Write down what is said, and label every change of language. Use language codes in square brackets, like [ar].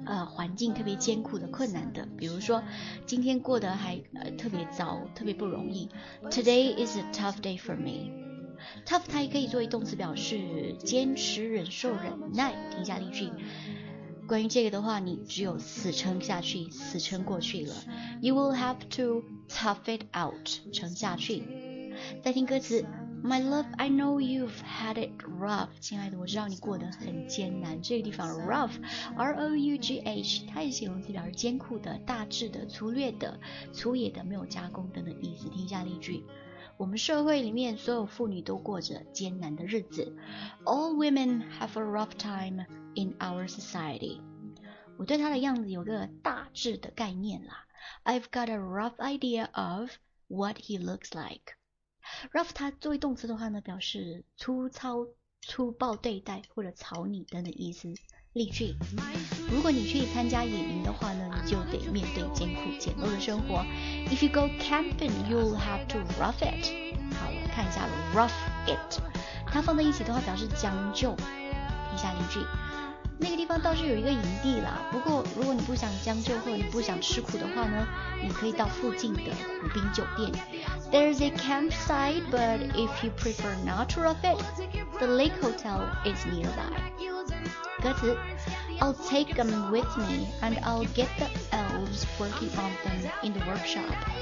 [zh] 环境特别艰苦的困难的，比如说今天过得还特别糟，特别不容易。 [en] Today is a tough day for me. [zh] Tough 它也可以作为动词表示坚持、忍受、忍耐。听一下例句，关于这个的话，你只有死撑下去，死撑过去了。 [en] You will have to tough it out， [zh] 撑下去。再听歌词， [en] My love, I know you've had it rough. [zh] 亲爱的，我知道你过得很艰难。这个地方 rough, R-O-U-G-H, 它也形容词表示艰苦的、大致的、粗略的、粗野的、没有加工等等意思。听一下例句，我们社会里面所有妇女都过着艰难的日子。 [en] All women have a rough time in our society. [zh] 我对她的样子有个大致的概念啦。 [en] I've got a rough idea of what he looks like. [zh] Rough 它作为动词的话呢，表示粗糙、粗暴对待或者草拟等等意思。例句，如果你去参加野营的话呢，你就得面对艰苦简陋的生活。 [en] If you go camping, you'll have to rough it. [zh] 好了，看一下 rough it， 它放在一起的话表示将就。听一下例句，那个地方倒是有一个营地啦，不过如果你不想将就或者你不想吃苦的话呢，你可以到附近的湖滨酒店。 [en] There's a campsite, but if you prefer not to rough it, the lake hotel is nearby. 歌词 I'll take them with me, and I'll get the elves working on them in the workshop.